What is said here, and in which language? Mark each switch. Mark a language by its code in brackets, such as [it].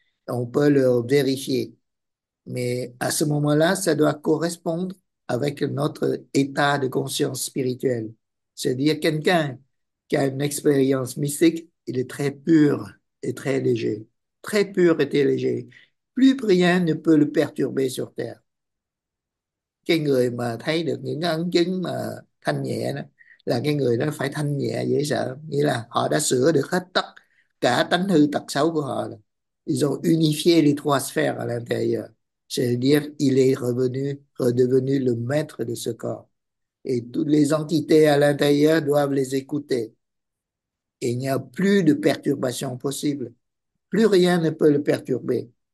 [fr] On peut le vérifier. Mais à ce moment-là, ça doit correspondre avec notre état de conscience spirituelle. C'est-à-dire quelqu'un qui a une expérience mystique, il est très pur et très léger. Très pur et très léger. Plus rien ne peut le perturber sur Terre. [vi] Cái người mà thấy được những ấn chứng mà thanh nhẹ đó, là cái người đó phải thanh nhẹ dễ sợ. Nghĩa là họ đã sửa được hết tất cả tánh hư tật xấu của họ rồi. [fr] Ils ont unifié les trois sphères à l'intérieur. C'est-à-dire, il est redevenu le maître de ce corps. Et toutes les entités à l'intérieur doivent les écouter. Et il n'y a plus de perturbation possible. Plus rien ne peut le perturber.